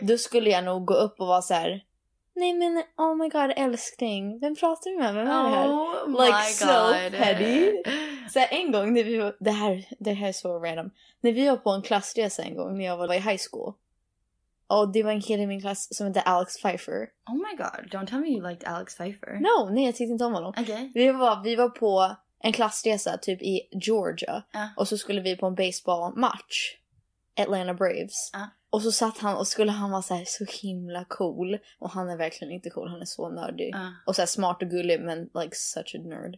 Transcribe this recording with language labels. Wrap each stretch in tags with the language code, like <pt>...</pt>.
<sv>Då skulle jag nog gå upp och vara så här. Nej men,</sv> <en>oh my god,</en> <sv>älskling. Vem pratar du med? Vem är det här?</sv> <en>Like, so petty.</en> <sv>Så här, en gång, när vi var, det här är så random. När vi var på en klassresa en gång, när jag var i high school. Och det var en kille i min klass som hette Alex Pfeiffer.</sv> <en>Oh my god, don't tell me you liked Alex Pfeiffer.</en> <sv>No, nej, jag tyckte inte om honom.</sv> <en>Okay.</en> <sv>Vi var på en klassresa typ i Georgia. Och så skulle vi på en baseballmatch. Atlanta Braves. Och så satt han och skulle han vara så här så himla cool. Och han är verkligen inte cool, han är så nördig. Och så här smart och gullig, men</sv> <en>like such a nerd.</en>